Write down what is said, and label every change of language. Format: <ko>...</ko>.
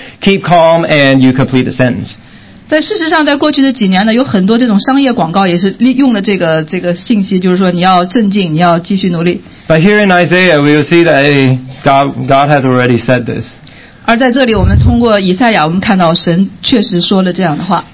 <en>Keep calm and you complete the sentence.</en> <zh>在事实上，在过去的几年呢，有很多这种商业广告也是用了这个信息，就是说你要镇静，你要继续努力。</zh> <en>But here in Isaiah, we will see that hey, God had already said this.</en> <zh>而在这里我们通过以赛亚，我们看到神确实说了这样的话。</zh>